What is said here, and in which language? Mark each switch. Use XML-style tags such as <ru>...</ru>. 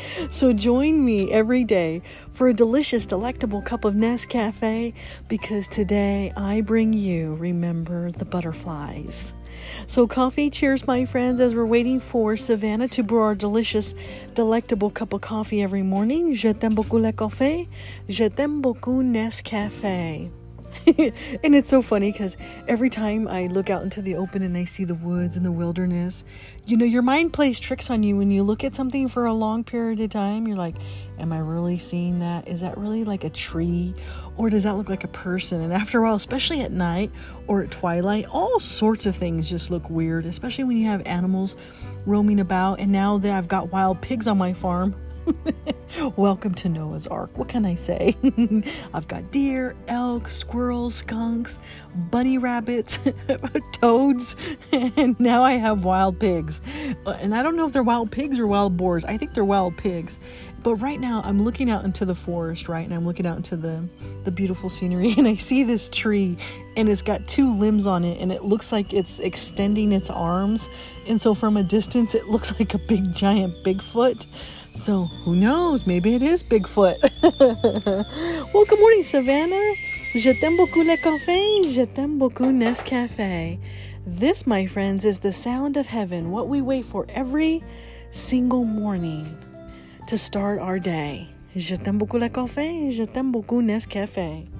<en>So join me every day for a delicious, delectable cup of Nescafe, because today I bring you Remember the Butterflies. So coffee, cheers, my friends, as we're waiting for Savannah to brew our delicious, delectable cup of coffee every morning.</en> <fr>Je t'aime beaucoup le café. Je t'aime beaucoup Nescafe.</fr> <en>And it's so funny because every time I look out into the open and I see the woods and the wilderness, you know, your mind plays tricks on you. When you look at something for a long period of time, you're like, am I really seeing that? Is that really like a tree? Or does that look like a person? And after a while, especially at night or at twilight, all sorts of things just look weird, especially when you have animals roaming about. And now that I've got wild pigs on my farm, welcome to Noah's Ark. What can I say? I've got deer, elk, squirrels, skunks, bunny rabbits, toads, and now I have wild pigs. And I don't know if they're wild pigs or wild boars. I think they're wild pigs. But right now I'm looking out into the forest, right? And I'm looking out into the beautiful scenery, and I see this tree, and it's got two limbs on it, and it looks like it's extending its arms. And so from a distance, it looks like a big giant Bigfoot. So who knows, maybe it is Bigfoot. Well, good morning, Savannah.</en> <fr>Je t'aime beaucoup le café, je t'aime beaucoup Nescafe.</fr> <en>This, my friends, is the sound of heaven, what we wait for every single morning to start our day.</en> <fr>Je t'aime beaucoup le café, je t'aime beaucoup Nescafe.</fr>